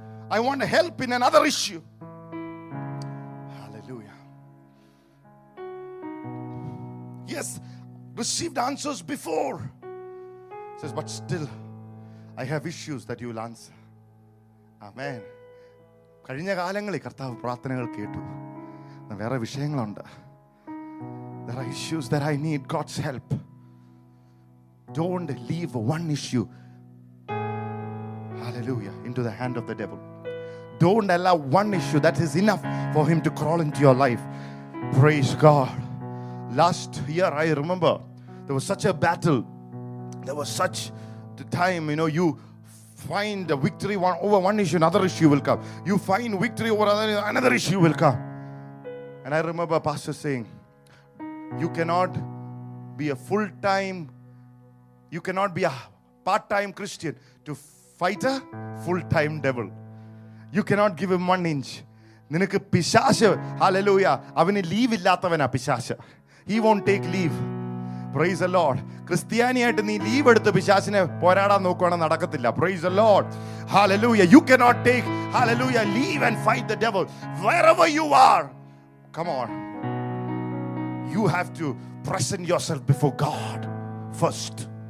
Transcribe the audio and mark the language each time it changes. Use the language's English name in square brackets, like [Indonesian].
[English] I want help in another issue. Hallelujah. Yes, received answers before. Says, but still, I have issues that you will answer. Amen. [Malayalam] കഴിഞ്ഞ കാലങ്ങളിൽ കർത്താവ് പ്രാർത്ഥനകൾ കേട്ടു. വേറെ വിഷയങ്ങളുണ്ട്. [English] There are issues that I need God's help. Don't leave one issue, hallelujah, into the hand of the devil. Don't allow one issue that is enough for him to crawl into your life. Praise God. Last year, I remember, there was such a battle. There was such a time, you know, you find a victory over one issue, another issue will come. You find victory over another issue will come. And I remember pastor saying, you cannot be a part-time Christian to fight a full-time devil. You cannot give him 1 inch. [Malayalam] നിനക്ക് പിശാശ്, hallelujah, അവന് leave ഇല്ലാത്തവനാ പിശാശ്. [English] He won't take leave. Praise the Lord. [Malayalam] ക്രിസ്ത്യാനിയായിട്ട് നീ leave എടുത്ത് പിശാശിനെ പോരാടാൻ നോക്കുവാണെങ്കിൽ നടക്കത്തില്ല. [English] Praise the Lord. Hallelujah. You cannot take, hallelujah, leave and fight the devil. Wherever you are, come on. You have to present yourself before God first.